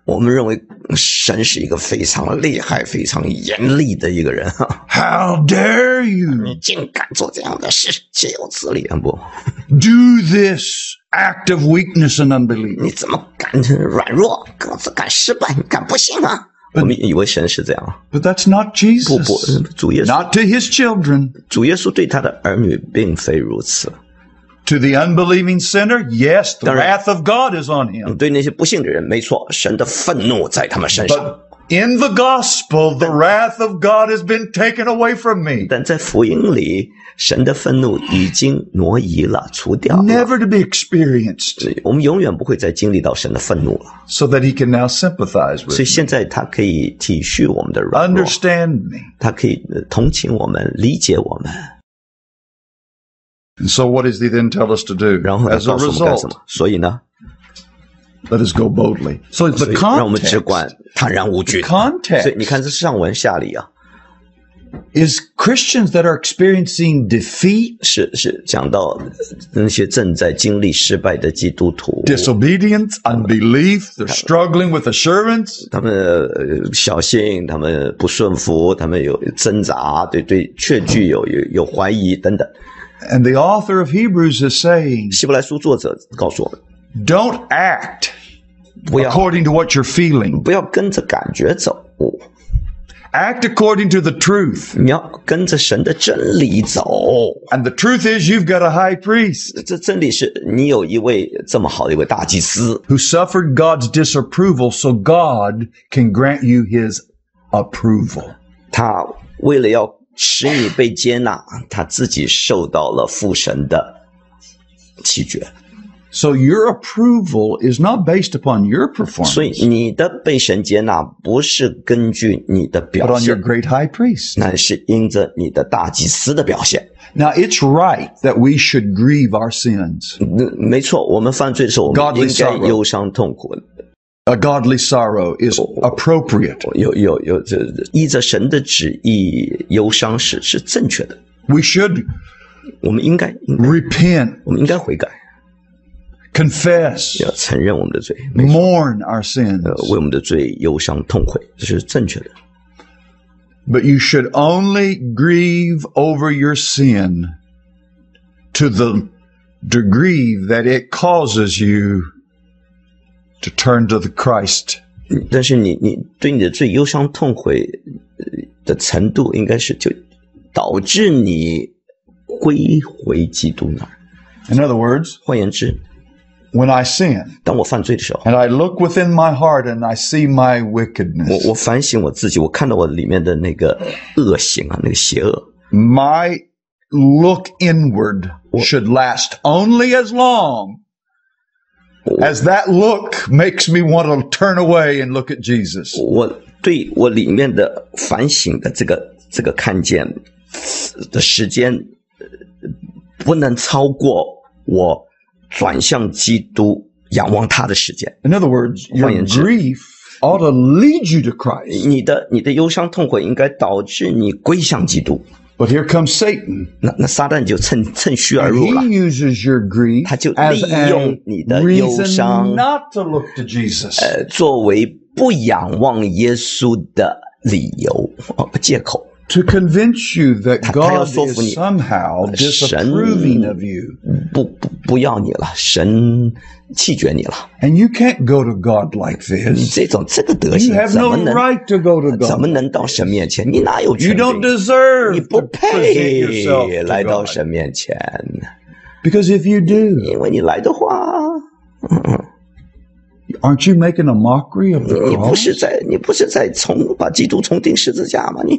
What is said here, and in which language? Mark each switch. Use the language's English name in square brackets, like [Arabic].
[Chinese] 我们认为神是一个非常厉害、非常严厉的一个人。 [English] How dare you? [Chinese] 你竟敢做这样的事，岂有此理！不。 [English] Do this act of weakness and unbelief. [Chinese] 你怎么敢软弱？敢失败？敢不信啊？我们以为神是这样。 [English] But that's not Jesus. [Chinese] 不，主耶稣。 [English] Not to his children. [Chinese] 主耶稣对他的儿女并非如此。 [English] To the unbelieving sinner, yes, the wrath of God is on him. [Chinese] 对那些不信的人，没错，神的愤怒在他们身上。 [English] But in the gospel, the wrath of God has been taken away from me. [Chinese] 但在福音里，神的愤怒已经挪移了，除掉了。 [English] Never to be experienced. [Chinese] 我们永远不会再经历到神的愤怒了。 [English] So that he can now sympathize with me. [Chinese] 所以现在他可以体恤我们的软弱。 [English] Understand me. [Chinese] 他可以同情我们，理解我们。 And so what does he then tell us to do? 然后他告诉我们干什么？所以呢？ [English] Let us go boldly. So the context. [Chinese] 让我们只管坦然无惧。 [English] Context. [Chinese] 所以你看，这是上文下理啊。 [English] Is Christians that are experiencing defeat? [Chinese] 是讲到那些正在经历失败的基督徒。 [English] Disobedience, unbelief. They're struggling with assurance. [Chinese] 他们小心，他们不顺服，他们有挣扎，对确据有怀疑等等。 [English] And the author of Hebrews is saying. [Chinese] 希伯来书作者告诉我们。 [English] Don't act according to what you're feeling. [Chinese] 不要跟着感觉走。 [English] act according to the truth. [Chinese] 你要跟着神的真理走。 [English] And the truth is, you've got a high priest. [Chinese] 这真理是你有一位这么好的一位大祭司。 [English] Who suffered God's disapproval so God can grant you his approval. [Chinese] 他为了要使你被接纳，他自己受到了父神的弃绝。 [English] So your approval is not based upon your performance. [Chinese] 所以你的被神接纳不是根据你的表现。 [English] But on your great high priest. [Chinese] 那是因着你的大祭司的表现。 [English] Now it's right that we should grieve our sins. [Chinese] 没错，我们犯罪的时候我们应该忧伤痛苦。 [English] A godly sorrow is appropriate. [Chinese] 有依着神的旨意忧伤是正确的。 [English] We should. [Chinese] 我们应该。 [English] Repent. [Chinese] 我们应该悔改。 [English] Confess, [Chinese] 要承认我们的罪, [English] mourn our sins, [Chinese] 为我们的罪忧伤痛悔, 这是正确的。 [English] But you should only grieve over your sin to the degree that it causes you to turn to the Christ. [Chinese] 但是你对你的罪忧伤痛悔的程度应该是就导致你归回基督那儿。 [English] In other words, [Chinese] 换言之 [English] When I sin, [Chinese] 当我犯罪的时候, [English] and I look within my heart and I see my wickedness, [Chinese] 我反省我自己, 我看到我里面的那个恶行啊, 那个邪恶。 [English] My look inward should last only as long as that look makes me want to turn away and look at Jesus. [Chinese] 我对我里面的反省的这个看见的时间不能超过我转向基督仰望他的时间。 [English] In other words, your grief ought to lead you to Christ. [Chinese] 你的忧伤痛悔应该导致你归向基督。 [English] But here comes Satan. [Chinese] 那撒旦就趁虚而入了。 [English] He uses your grief [Chinese] 他就利用你的忧伤 [English] as a reason not to look to Jesus. [Chinese] 作为不仰望耶稣的理由借口。 [English] To convince you that God is somehow disapproving of you. [Chinese] 不要你了，神弃绝你了。 [English] And you can't go to God like this. [Chinese] 你这个德行， [English] you have no right to go to God. [Chinese] 怎么能到神面前？你哪有权利？ [English] You don't deserve. [Chinese] 你不配来到神面前。 [English] Because if you do. [Chinese] 因为你来的话。 [English] Aren't you making a mockery of the cross? [Chinese] 你不是在从把基督从钉十字架吗？你